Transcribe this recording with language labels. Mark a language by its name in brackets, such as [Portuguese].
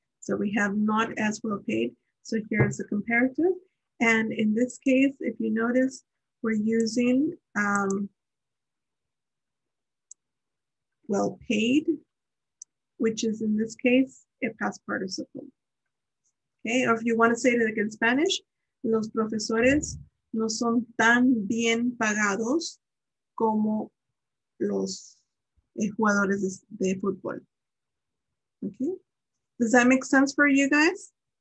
[English] So we have not as well paid. So here's the comparative. And in this case, if you notice, we're using well paid, which is in this case a past participle. Okay, or if you want to say it in Spanish, [Spanish] los profesores no son tan bien pagados como los jugadores de fútbol. [English] Okay, does that make sense for you guys?